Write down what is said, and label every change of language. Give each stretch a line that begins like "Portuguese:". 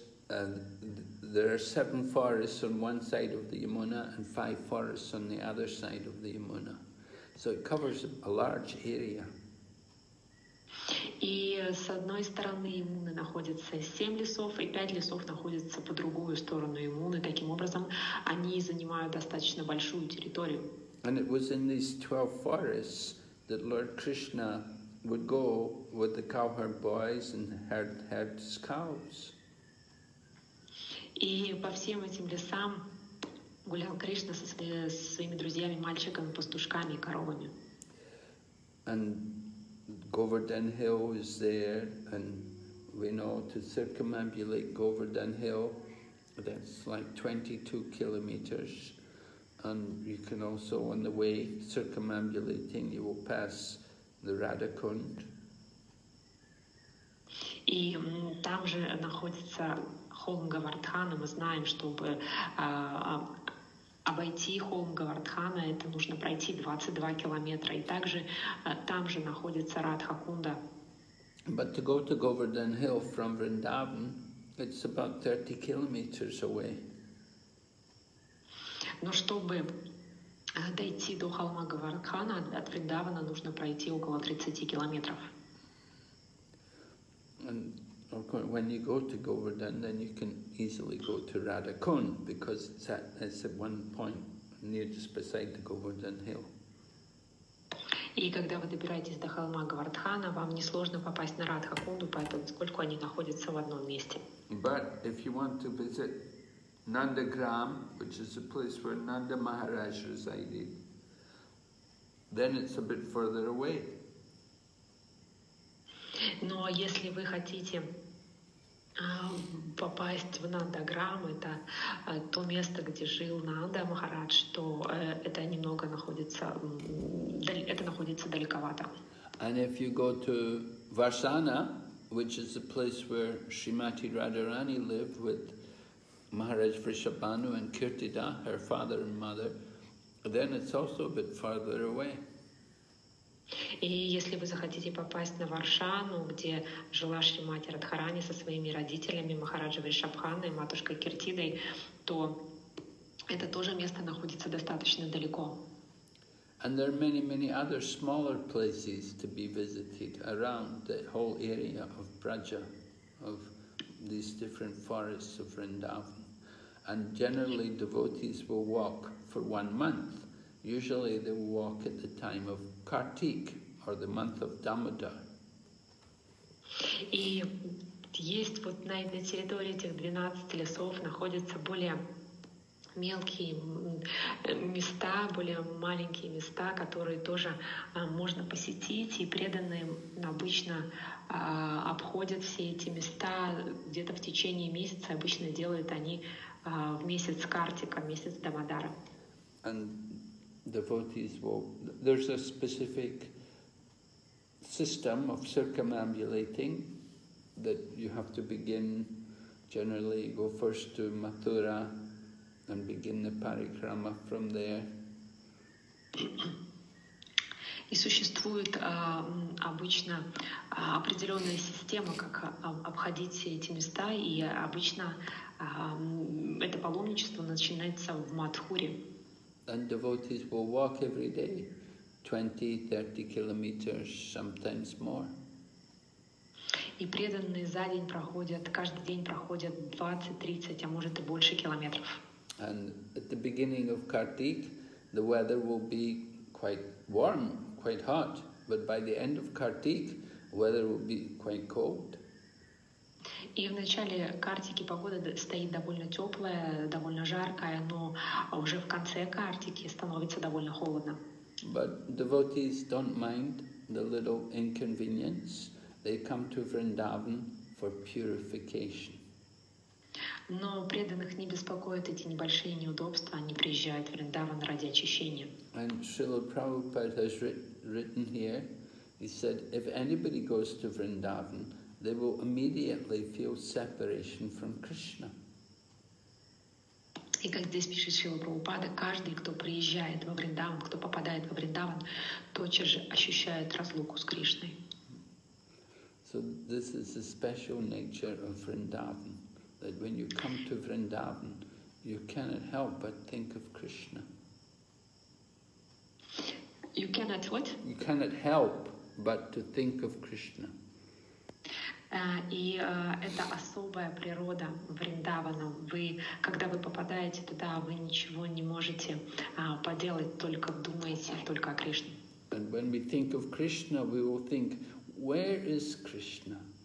English: And there are seven forests on one side of the Yamuna and five forests on the other side of the Yamuna. So it covers a large area.
Russian: И с одной стороны Ямуны находится 7 лесов, и 5 лесов находятся по другую сторону Ямуны. Таким образом, они занимают достаточно большую территорию.
English: And it was in these 12 forests that Lord Krishna would go with the cowherd boys and herd his cows.
Russian: И по всем этим лесам гулял Кришна со своими друзьями, мальчиками, пастушками и коровами.
English: And Govardhan Hill is there, and we know to circumambulate Govardhan Hill, that's like 22 kilometers. And you can also, on the way circumambulating, you will pass the Radhakund.
Russian: И там же находится холм Говардхана. Мы знаем, чтобы обойти холм Говардхана, это нужно пройти 22 километра. И также там же находится Радхакунда.
English: But to go to Govardhan Hill from Vrindavan, it's about 30 kilometers away.
Russian: Но чтобы дойти до холма Говардхана, от Вриндавана нужно пройти около 30 километров.
English: And when you go to Govardhan, then you can easily go to Radhakund, because it's at one point near just beside the Govardhan Hill.
Russian: И когда вы добираетесь до холма Говардхана, вам несложно попасть на Радхакунду, поскольку они находятся в одном месте.
English: But if you want to visit Nandagram, which is the place where Nanda Maharaj resided, then it's a bit further away.
Russian: Но если вы хотите попасть в Нандаграм, это то место, где жил Нанда Махарадж, то это немного находится, это находится далековато.
English: And if you go to Varsana, which is the place where Srimati Radharani lived with Maharaj Vrishabhanu and Kirtida, her father and mother, then it's also a bit farther away.
Russian: И если вы захотите попасть на Варшану, где жила Шримати Радхарани со своими родителями, Махараджа Вришабханой и матушкой Киртидой, то это тоже место находится достаточно далеко.
English: And there are many, many other smaller places to be visited around the whole area of Braja, of these different forests of Vrindavan. And generally devotees will walk for 1 month. Usually they will walk at the time of Kartik, or the month of Damodar.
Russian: И есть вот на территории этих 12 лесов находятся более мелкие места, более маленькие места, которые тоже можно посетить, и преданные обычно обходят все эти места где-то в течение месяца, обычно делают они в месяц Картика, месяц Дамодара.
English: Devotees will, there's a specific system of circumambulating that you have to begin. Generally, you go first to Mathura and begin the parikrama from there.
Russian: И существует обычно определенная система, как обходить все эти места, и обычно это паломничество начинается в Мадхуре.
English: And devotees will walk every day 20, 30 kilometers, sometimes more.
Russian: И преданные за день проходят, каждый день проходят 20-30, а может и больше километров.
English: And at the beginning of Kartik, the weather will be quite warm, quite hot. But by the end of Kartik, weather will be quite cold.
Russian: И в начале Картики погода стоит довольно теплая, довольно жаркая, но уже в конце Картики становится довольно холодно.
English: But devotees don't mind the little inconvenience. They come to Vrindavan for purification.
Russian: Но преданных не беспокоят эти небольшие неудобства, они приезжают в Вриндаван ради очищения.
English: And Srila Prabhupada has written here, he said, if anybody goes to Vrindavan, they will immediately feel separation from Krishna.
Russian: И как здесь пишет Шрила Прабхупада, каждый, кто приезжает во Вриндаван, кто попадает во Вриндаван, тотчас же ощущает разлуку с Кришной.
English: So this is the special nature of Vrindavan, that when you come to Vrindavan, you cannot help but think of Krishna. You cannot what? You cannot help but to think of Krishna.
Russian: Это особая природа Вриндавана. Вы, когда вы попадаете туда, вы ничего не можете поделать, только думаете только о Кришне.
English: And when we think of Krishna, we will think, where is Krishna?